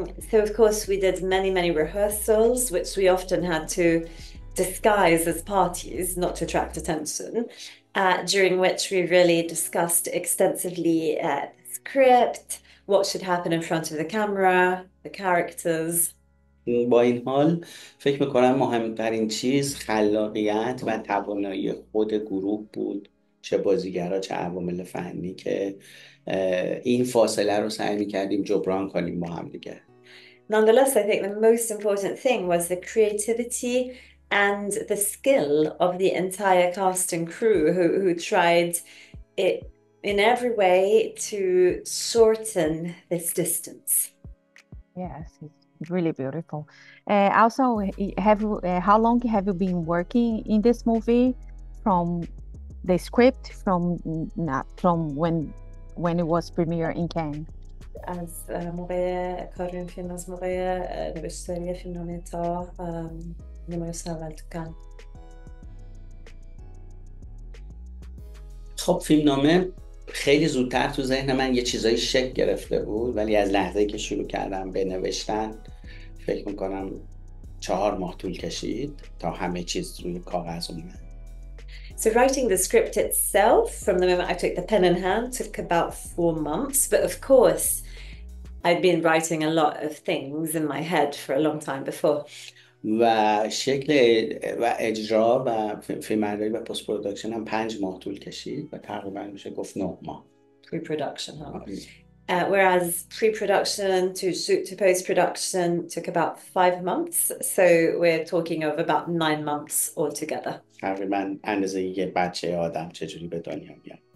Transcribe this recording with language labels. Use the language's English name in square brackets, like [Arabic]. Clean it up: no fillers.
[English] So of course we did many rehearsals, which we often had to disguise as parties, not to attract attention, during which we really discussed extensively the script, what should happen in front of the camera, the characters. [Persian] با این حال فکر میکنم مهمترین چیز خلاقیت و توانایی خود گروه بود، چه بازیگرا چه عوامل فنی، که این فاصله رو سعی میکردیم جبران کنیم با هم دیگه. [English] Nonetheless, I think the most important thing was the creativity and the skill of the entire cast and crew who tried it in every way to shorten this distance. Yes, it's really beautiful. Also, how long have you been working in this movie, from the script, from not from when it was premiered in Cannes? [Persian] از موقع کار این فیلم از موقع نوشتاری فیلم نامه تا نمایش اول تو کن خب، فیلم نامه خیلی زودتر تو ذهن من یه چیزایی شکل گرفته بود، ولی از لحظه‌ای که شروع کردم به نوشتن فکر میکنم 4 ماه طول کشید تا همه چیز روی کاغذ اومد. [English] So writing the script itself from the moment I took the pen in hand took about 4 months, but of course I'd been writing a lot of things in my head for a long time before. [Persian] و شکل و اجرا و فیلمبرداری و پست پروداکشن هم 5 ماه طول کشید و تقریبا میشه گفت 9 ماه. [English] Pre-production, huh? Whereas pre-production to shoot to post-production took about 5 months, so we're talking of about 9 months altogether. [Persian] تقریبا اندازه یه بچه آدم چجوری به دنیا میاد.